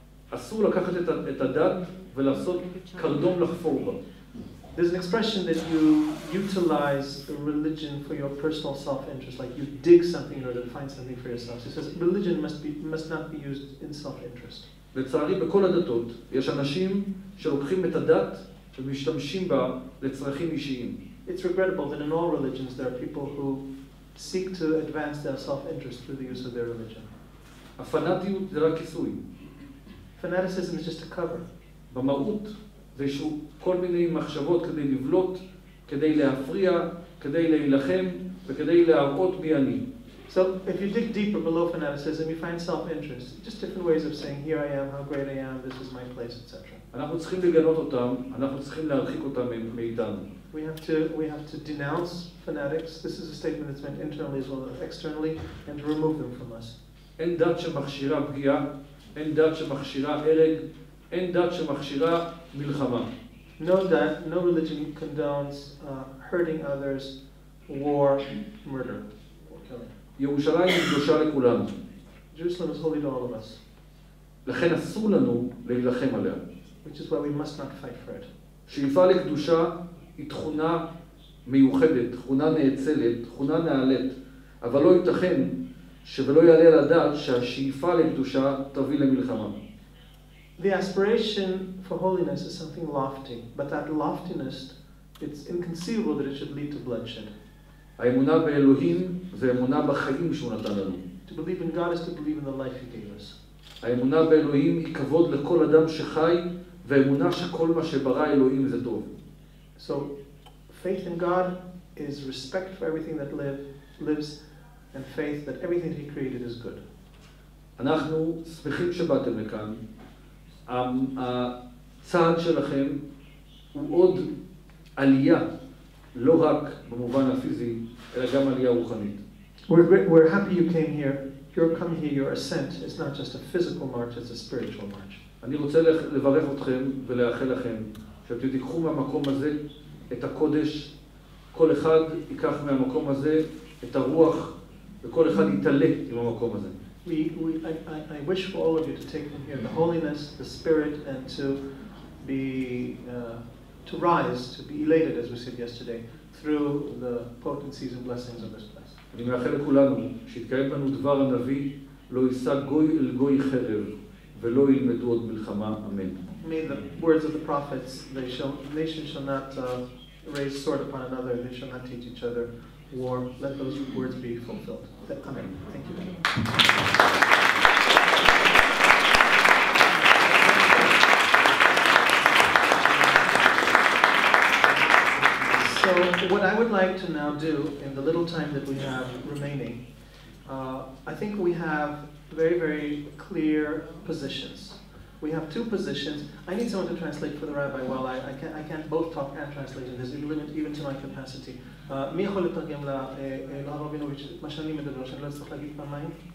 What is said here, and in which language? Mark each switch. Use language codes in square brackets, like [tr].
[he] אסור לקחת את הדת ולעשות קרדום לחפור בה. [en] There's an expression that you utilize religion for your personal self-interest, like you dig something in order to find something for yourself. So it says religion must not be used in self-interest. [he] לצערי בכל הדתות יש אנשים שלוקחים את הדת ומשתמשים בה לצרכים אישיים. [en] It's regrettable that in all religions there are people who seek to advance their self-interest through the use of their religion. [he] הפנאטיות זה רק כיסוי. [en] Fanaticism is just a cover. [he] במהות ויש כל מיני מחשבות כדי לבלוט, כדי להפריע, כדי להילחם וכדי להראות מי אני. [en] So if you dig deeper below fanaticism, you find self-interest. Just different ways of saying, here I am, how great I am, this is my place, etc. [he] אנחנו צריכים לגנות אותם, אנחנו צריכים להרחיק אותם מאיתנו. [en] We have to denounce fanatics. This is a statement that's meant internally as well as externally, and to remove them from us. [he] אין דת שמכשירה פגיעה, אין דת שמכשירה הרג, אין דת שמכשירה מלחמה. [en] know that no religion condones hurting others, war, murder, or killing. [he] Yerushalayim kedusha lekulam. [en] Jerusalem is holy to all of us. [he] לכן אסור לנו להילחם עליה. [en] Which is why we must not fight for it. [he] שאיפה לקדושה היא תכונה מיוחדת, תכונה נאצלת, תכונה נעלית, אבל לא ייתכן שבלא יעלה לדעת שהשאיפה לקדושה תביא למלחמה. [en] The aspiration for holiness is something lofty, but that loftiness, it's inconceivable that it should lead to bloodshed. [he] האמונה באלוהים ואמונה בחיים שהוא נתן לנו. [en] To believe in God is to believe in the life he gave us. [he] האמונה באלוהים היא כבוד לכל אדם שחי, ואמונה שכל מה שברא אלוהים זה טוב. [en] So, faith in God is respect for everything that lives, and faith that everything he created is good. [he] אנחנו שמחים שבאתם לכאן. הצעד שלכם הוא עוד עלייה, לא רק במובן הפיזי, אלא גם עלייה רוחנית. [en] We're happy you came here. Your come here, your ascent is not just a physical march, it's a spiritual march. [he] אני רוצה לברך אתכם ולאחל לכם שאתם תיקחו מהמקום הזה את הקודש, כל אחד ייקח מהמקום הזה את הרוח, וכל אחד יתעלה עם המקום הזה. [en] I wish for all of you to take from here the holiness, the spirit, and to be to rise, to be elated, as we said yesterday, through the potencies and blessings of this place. [he] אני מאחל לכולנו שיתקיים בנו דבר הנביא, לא יישא גוי אל גוי חרב, ולא ילמדו עוד מלחמה, אמן. [en] May the words of the prophets, nation shall not raise sword upon another, they shall not teach each other war, let those words be fulfilled. Amen. Thank you. So what I would like to now do in the little time that we have remaining, I think we have very, very clear positions. We have two positions. I need someone to translate for the rabbi while I can't both talk and translate. There's a limit even to my capacity. [he] מי יכול לתרגם לרב רבינוביץ' מה שאני מדבר, שאני לא צריך להגיד פעמיים?